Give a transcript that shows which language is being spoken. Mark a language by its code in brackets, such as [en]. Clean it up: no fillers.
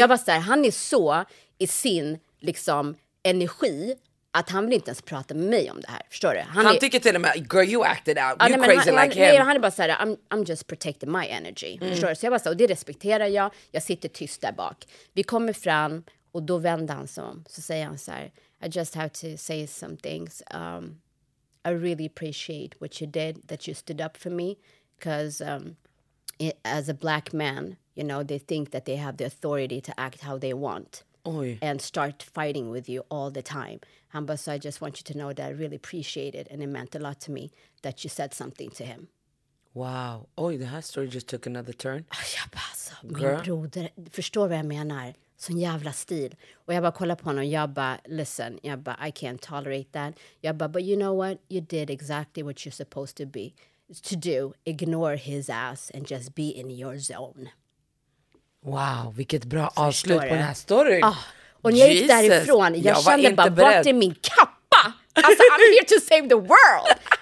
[sv] Jag bara såhär, han är så i sin liksom energi att han vill inte ens prata med mig om det här, förstår du? Han tycker till och med, [en] girl you acted out, you crazy like him. [sv] Nej, han är bara såhär, [en] I'm just protecting my energy, [sv] förstår du? Så jag bara såhär, och det respekterar jag. Jag sitter tyst där bak. Vi kommer fram och då vänder han sig om. Så säger han så här, [en] I just have to say some things. I really appreciate what you did, that you stood up for me. Because as a black man, you know, they think that they have the authority to act how they want. Oy. And start fighting with you all the time. Hamba, so I just want you to know that I really appreciate it. And it meant a lot to me that you said something to him. Wow. [sv] Oj, det här [en] story just took another turn. [sv] Jag bara, alltså, girl. Min broder, förstår vad jag menar? Sån jävla stil. Och jag bara kollar på honom. Jag bara, listen. Jag bara, [en] I can't tolerate that. Jag bara, but you know what? You did exactly what you're supposed to be. To do. Ignore his ass. And just be in your zone. [sv] Wow, vilket bra så avslut på den här storyn. Oh. Och när jag gick därifrån, jag kände bara, vart är min kappa? Alltså, [en] I'm here to save the world.